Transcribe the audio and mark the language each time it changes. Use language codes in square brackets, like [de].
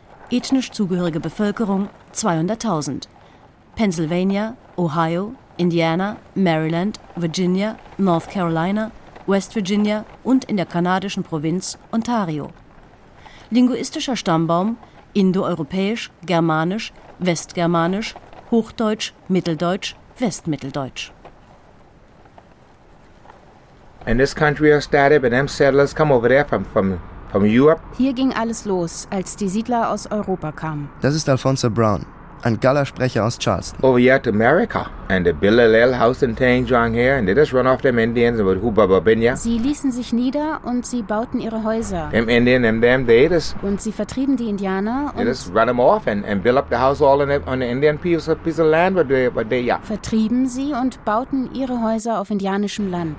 [de] Ethnisch zugehörige Bevölkerung 200.000. Pennsylvania, Ohio, Indiana, Maryland, Virginia, North Carolina, West Virginia und in der kanadischen Provinz Ontario. Linguistischer Stammbaum Indoeuropäisch, Germanisch, Westgermanisch, Hochdeutsch, Mitteldeutsch, Westmitteldeutsch. [en] And this country was started, but them settlers come over there from Europe. [de] Hier ging alles los, als die Siedler aus Europa kamen. Das ist Alfonso Brown, ein Gallersprecher aus Charleston. [en] Over here to America, and they built a little house and things around here, and they just run off them Indians with Hubabinya. [de] Sie ließen sich nieder und sie bauten ihre Häuser. [en] Them Indians and them, they just. [de] Und sie vertrieben die Indianer und. [en] They just run them off and build up the house all on the Indian piece of land, but they yeah. [de] Vertrieben sie und bauten ihre Häuser auf indianischem Land.